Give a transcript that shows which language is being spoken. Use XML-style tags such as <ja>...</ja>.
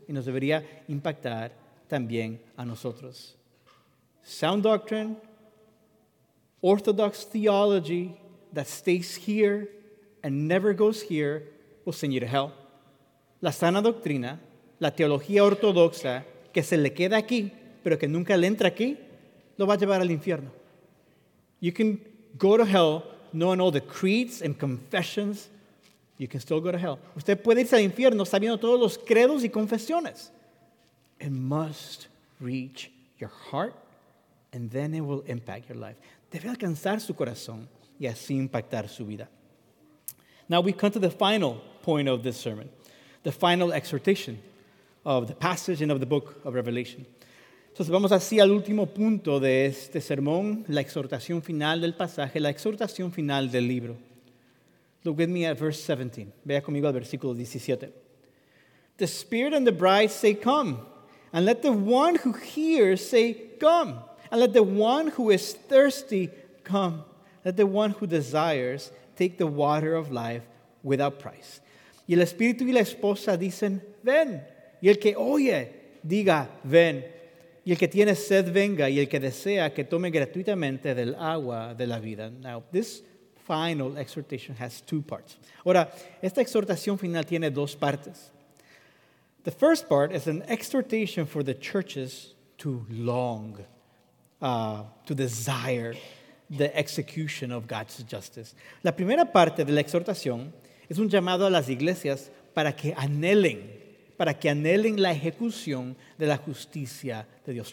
<es>Y nos debería impactar también a nosotros.</es> <en>Sound doctrine, orthodox theology that stays here and never goes here will send you to hell.</en> <es>La sana doctrina, la teología ortodoxa que se le queda aquí, pero que nunca le entra aquí, lo va a llevar al infierno.</es> <en>You can go to hell knowing all the creeds and confessions. You can still go to hell.</en> <es>Usted puede irse al infierno sabiendo todos los credos y confesiones.</es> <en>It must reach your heart and then it will impact your life.</en> <es>Debe alcanzar su corazón y así impactar su vida.</es> <en>Now we come to the final point of this sermon, the final exhortation of the passage and of the book of Revelation.</en> <es>Entonces vamos así al último punto de este sermón, la exhortación final del pasaje, la exhortación final del libro.</es> <en>Look with me at verse 17.</en> <es>Vea conmigo al versículo 17.</es> <en>The Spirit and the bride say, come. And let the one who hears say, come. And let the one who is thirsty come. Let the one who desires take the water of life without price.</en> <es>Y el Espíritu y la esposa dicen, ven. Y el que oye, diga, ven. Y el que tiene sed, venga. Y el que desea, que tome gratuitamente del agua de la vida.</es> <en>Now, this final exhortation has two parts.</en> <es>Ahora, esta exhortación final tiene dos partes.</es> <en>The first part is an exhortation for the churches to long, to desire the execution of God's justice.</en> <es>La primera parte de la exhortación es un llamado a las iglesias para que anhelen la ejecución de la justicia de Dios.</es>